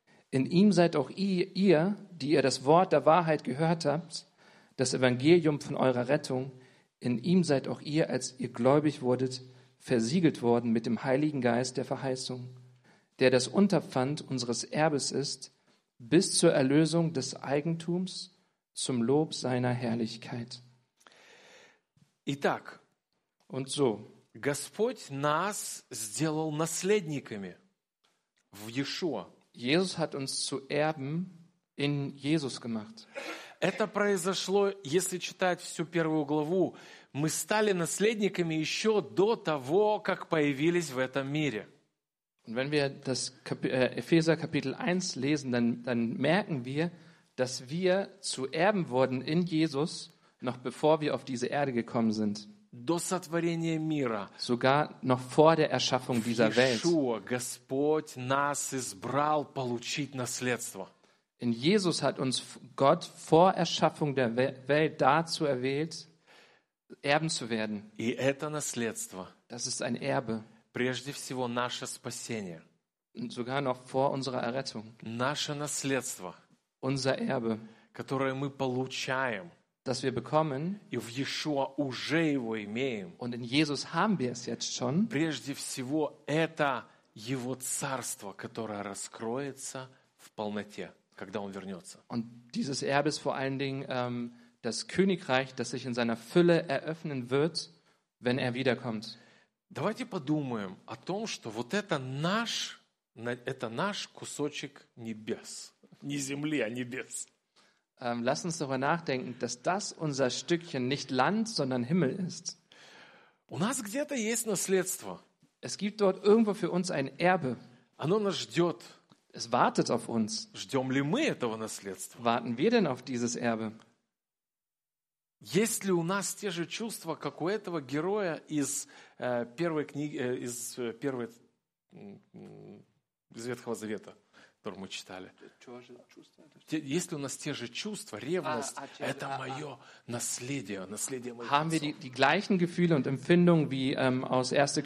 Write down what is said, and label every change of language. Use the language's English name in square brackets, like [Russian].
[German] In ihm seid auch ihr, die ihr das Wort der Wahrheit gehört habt, das Evangelium von eurer Rettung, in ihm seid auch ihr, als ihr gläubig wurdet, versiegelt worden mit dem Heiligen Geist der Verheißung, der das Unterpfand unseres Erbes ist, bis zur Erlösung des Eigentums zum Lob seiner Herrlichkeit. [Russian] Итак, [German] und so, [Russian] Господь нас сделал наследниками в Иешуа. [German] Jesus hat uns zu Erben in Jesus gemacht. [Russian] Это произошло, если читать всю первую главу, мы стали наследниками еще до того, как появились в этом мире. [German] Und wenn wir das Epheser Kapitel 1 lesen, dann merken wir, dass wir zu Erben wurden in Jesus, noch bevor wir auf diese Erde gekommen sind. [Russian] До сотворения мира. [German] Sogar noch vor der Erschaffung dieser Welt. [Russian] Иешуа, Господь нас избрал получить наследство. [German] In Jesus hat uns Gott vor Erschaffung der Welt dazu erwählt, Erben zu werden. [Russian] И это наследство. [German] Das ist ein Erbe. [Russian] Прежде всего наше спасение. [German] Und sogar noch vor unserer Errettung. [Russian] Наше наследство. [German] Unser Erbe, [Russian] которое мы получаем, [German] das wir bekommen, [Russian] и в Иешуа уже его имеем. [German] Und in Jesus haben wir es jetzt schon. [Russian] Прежде всего это его царство, которое раскроется в полноте, когда он вернется. [German] Und dieses Erbe ist vor allen Dingen das Königreich, das sich in seiner Fülle eröffnen wird, wenn er wiederkommt. [Russian] Давайте подумаем о том, что вот это наш кусочек небес. Не земли, а небес. [German] Lass uns darüber nachdenken, dass das unser Stückchen nicht Land, sondern Himmel ist. [Russian] У нас где-то есть наследство. [German] Es gibt dort irgendwo für uns ein Erbe. [Russian] Оно нас ждет. [German] Es wartet auf uns. [Russian] Ждем ли мы этого наследства? [German] Warten wir denn auf dieses Erbe? [Russian] Есть ли у нас те же чувства, как у этого героя из первой книги, из первой из Ветхого Завета? Которую мы читали. Есть ли у нас те же чувства, ревность? Это мое наследие, наследие моего отца. [German] Haben wir die gleichen Gefühle und Empfindungen wie aus 1.